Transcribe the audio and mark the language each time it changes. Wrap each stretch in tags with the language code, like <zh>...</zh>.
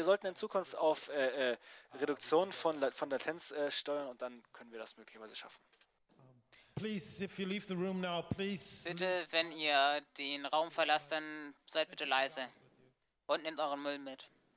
<de>Wir sollten in Zukunft auf Reduktion von Latenz steuern und dann können wir das möglicherweise schaffen.</de> <en>Please, if you leave the room now, please.</en> <de>Bitte, wenn ihr den Raum verlasst, dann seid bitte leise und nehmt euren Müll mit.</de>